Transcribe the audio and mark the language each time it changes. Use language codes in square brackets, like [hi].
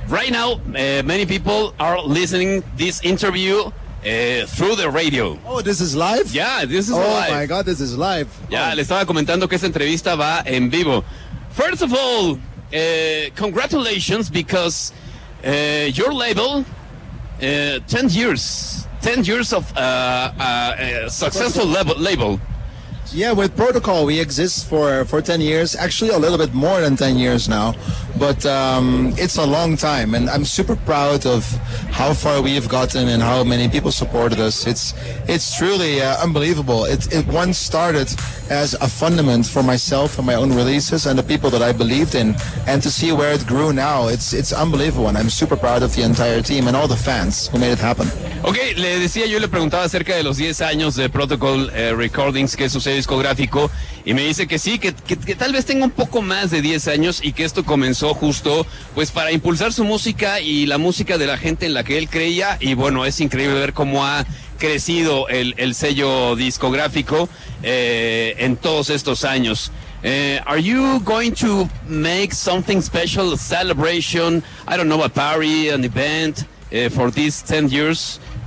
[en] Right now, many people are listening this interview through the radio. Oh, this is live? Yeah, this is live. Oh my God, this is live. [es] Yeah, le estaba comentando que esta entrevista va en vivo. [en] First of all, congratulations, because your label, 10 years of successful label. Yeah, with Protocol, we exist for 10 years, actually a little bit more than 10 years now, but it's a long time, and I'm super proud of how far we've gotten and how many people supported us. It's truly unbelievable. It once started as a fundament for myself and my own releases and the people that I believed in, and to see where it grew now, it's unbelievable, and I'm super proud of the entire team and all the fans who made it happen. [es] Okay, le decía, yo le preguntaba acerca de los 10 años de Protocol Recordings, que sucede discográfico, y me dice que sí, que tal vez tenga un poco más de 10 años y que esto comenzó justo pues para impulsar su música y la música de la gente en la que él creía. Y bueno, es increíble ver cómo ha crecido el sello discográfico en todos estos años. [en] Are you going to make something special, a celebration, I don't know, a party, an event for these 10 years?